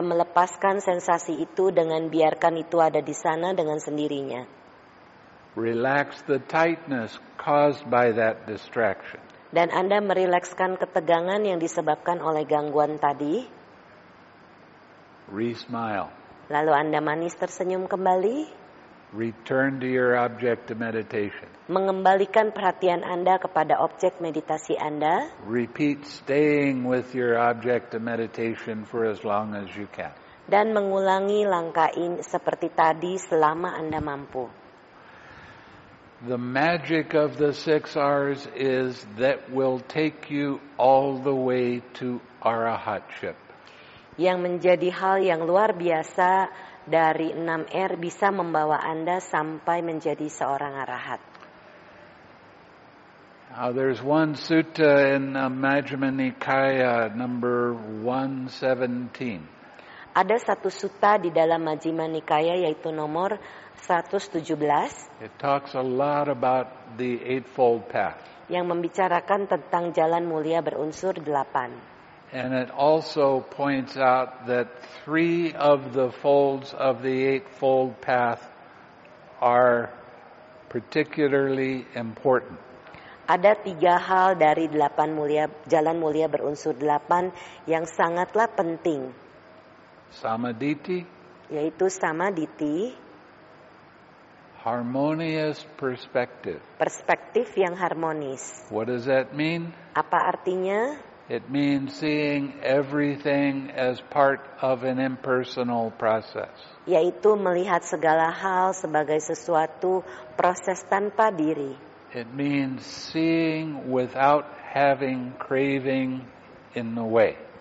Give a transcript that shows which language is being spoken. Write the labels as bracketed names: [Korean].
[Indonesian] melepaskan sensasi itu dengan biarkan itu ada di sana dengan sendirinya. [English] Relax the tightness caused by that distraction. [Indonesian] Dan Anda merilekskan ketegangan yang disebabkan oleh gangguan tadi. [English] Re-smile. [Indonesian] Lalu Anda manis tersenyum kembali. [English] Return to your object of meditation. [Indonesian] Mengembalikan perhatian Anda kepada objek meditasi Anda. [English] Repeat staying with your object of meditation for as long as you can. [Indonesian] Dan mengulangi langkah ini seperti tadi selama Anda mampu. [English] The magic of the 6 R's is that will take you all the way to arahatship. [Indonesian] Yang menjadi hal yang luar biasa dari 6 R bisa membawa Anda sampai menjadi seorang arahat. [English] Now, there's one sutta in Majjhima Nikaya number 117. [Indonesian] Ada satu sutta di dalam Majjhima Nikaya yaitu nomor 117. [English] It talks a lot about the eightfold path. [Indonesian] Yang membicarakan tentang jalan mulia berunsur 8. [English] And it also points out that 3 of the folds of the eightfold path are particularly important. [Indonesian] Ada 3 hal dari 8 mulia jalan mulia berunsur 8 yang sangatlah penting. [English] Samadhiti, [Indonesian] yaitu samadhiti, [English] harmonious perspective. [Indonesian] Perspektif yang harmonis. [English] What does that mean? [Indonesian] Apa artinya? [English] It means seeing everything as part of an impersonal process. [Indonesian] Yaitu melihat segala hal sebagai sesuatu proses tanpa diri. [English] It means seeing without having craving in the way.